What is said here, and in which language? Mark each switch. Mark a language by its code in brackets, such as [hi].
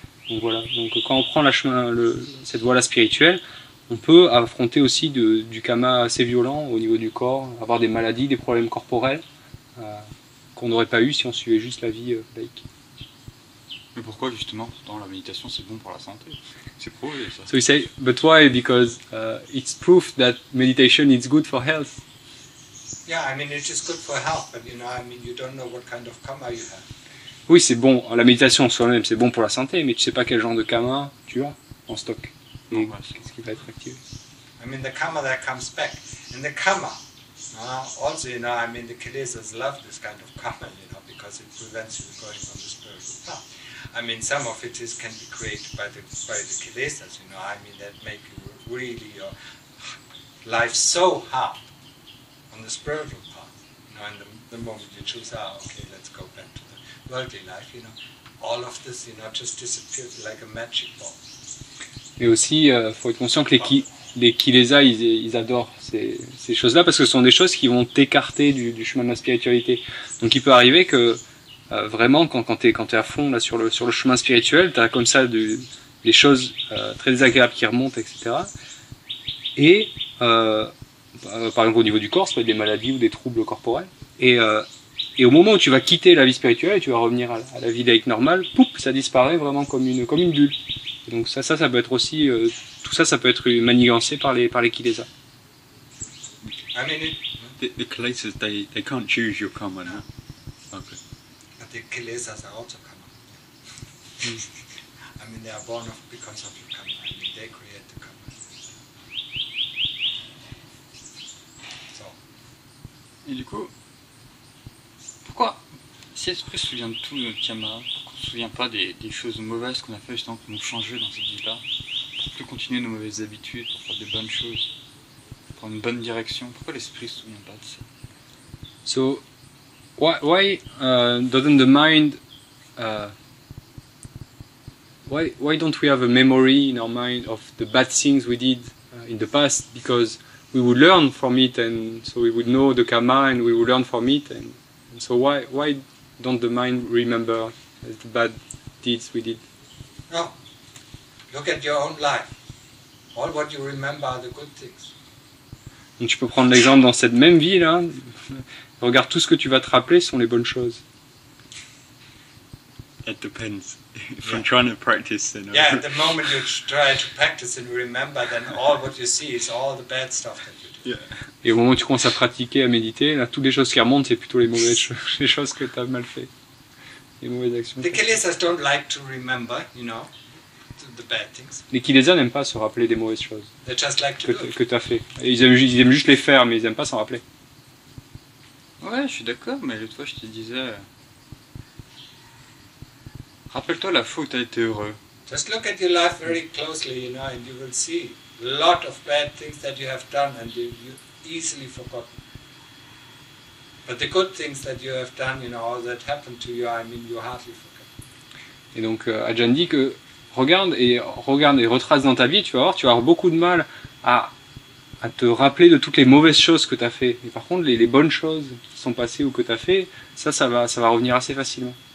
[fr] Donc voilà, donc quand on prend cette voie-là spirituelle, on peut affronter aussi du kamma assez violent au niveau du corps, avoir des maladies, des problèmes corporels qu'on n'aurait pas eu si on suivait juste la vie laïque. Mais pourquoi justement, dans la méditation, c'est bon pour la santé? C'est prouvé ça. [en] So you say, but why? Because it's proof that meditation is good for health. Yeah, I mean it's just good for health, but you don't know what kind of kamma you have. [fr] Oui, c'est bon, la méditation en soi-même, c'est bon pour la santé, mais tu sais pas quel genre de kamma tu as en stock. Donc, qu'est-ce qui va être activé? [en] I mean, the kamma that comes back. And the kamma, also, the kilesas love this kind of kamma, because it prevents you going on the spiritual path. I mean, some of it can be created by the kilesas, that make you really your life so hard on the spiritual path. And the moment you choose, let's go back to worldly life, all of this, just disappears like a magic ball. [fr] Mais aussi, faut être conscient que les kilesas, ils adorent ces choses-là parce que ce sont des choses qui vont t'écarter du chemin de la spiritualité. Donc, il peut arriver que vraiment, quand t'es à fond là sur le chemin spirituel, t'as comme ça des choses très désagréables qui remontent, etc. Et par exemple, au niveau du corps, ça peut être des maladies ou des troubles corporels. Et au moment où tu vas quitter la vie spirituelle et tu vas revenir à la vie d'Aïque normale, poup, ça disparaît vraiment comme une bulle. Et donc ça peut être aussi, tout ça, ça peut être manigancé par les kilesas. [en] I mean, the kilesas, they can't choose your karma, no? Okay. But the kilesas are also karma. I mean, they are born of because of your karma. I mean, they create the karma. So. [fr] Et du coup, pourquoi, si l'esprit se souvient de tout notre karma, pourquoi on ne se souvient pas des choses mauvaises qu'on a fait justement pour nous changer dans cette vie-là, pour plus continuer nos mauvaises habitudes, pour faire des bonnes choses, pour une bonne direction, pourquoi l'esprit se souvient pas de ça? [en] So, why doesn't the mind, why don't we have a memory in our mind of the bad things we did in the past, because we would learn from it, and so we would know the karma, and we would learn from it, and so why don't the mind remember the bad deeds we did? No. Look at your own life. All what you remember are the good things. [fr] Donc tu peux prendre l'exemple dans cette même vie là. Regarde, tout ce que tu vas te rappeler sont les bonnes choses. [en] It depends. If you're trying to practice, then. Yeah, at the moment you try to practice and remember, then all what you see is all the bad stuff that you do. Yeah. [fr] Et au moment où tu commences à pratiquer, à méditer, là, toutes les choses qui remontent, c'est plutôt les mauvaises choses, les choses que tu as mal fait, les mauvaises actions. [en] The kilesas don't like to remember, you know, the bad things. [fr] Les kilesas n'aiment pas se rappeler des mauvaises choses. [en] They just like to [fr] que tu as fait. Ils aiment juste les faire, mais ils n'aiment pas s'en rappeler. Ouais, je suis d'accord, mais l'autre fois je te disais. Rappelle-toi la fois où tu as été heureux. [en] Just look at your life very closely, you know, and you will see a lot of bad things that you have done and you easily forgot. But the good things that you have done, you know, all that happened to you, I mean, you hardly forget. [fr] Et donc Ajahn dit que regarde et retrace dans ta vie, tu vas voir, tu vas avoir beaucoup de mal à te rappeler de toutes les mauvaises choses que tu as fait. Mais par contre, les bonnes choses qui sont passées ou que tu as fait, ça va revenir assez facilement.